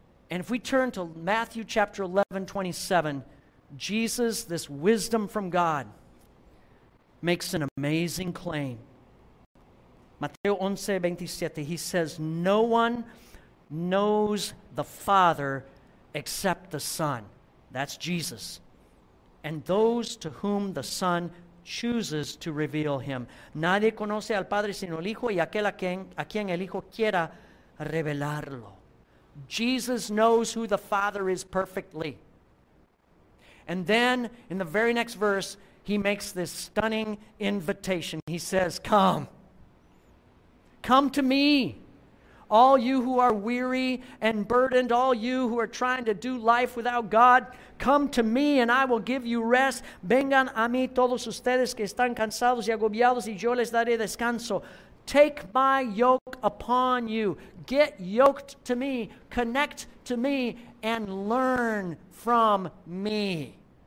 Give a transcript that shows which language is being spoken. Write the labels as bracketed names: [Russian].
[English] And if we turn to Matthew chapter 11, 27, Jesus, this wisdom from God, makes an amazing claim. Mateo 11, 27, he says, "No one knows the Father except the Son." That's Jesus. "And those to whom the Son chooses to reveal him." [Spanish] Nadie conoce al Padre sino el Hijo y aquel a quien el Hijo quiera revelarlo. [English] Jesus knows who the Father is perfectly. And then in the very next verse, he makes this stunning invitation. He says, "Come. Come to me. All you who are weary and burdened, all you who are trying to do life without God, come to me and I will give you rest. [Spanish] Vengan a mí todos ustedes que están cansados y agobiados y yo les daré descanso. [English] Take my yoke upon you. Get yoked to me, connect to me, and learn from me.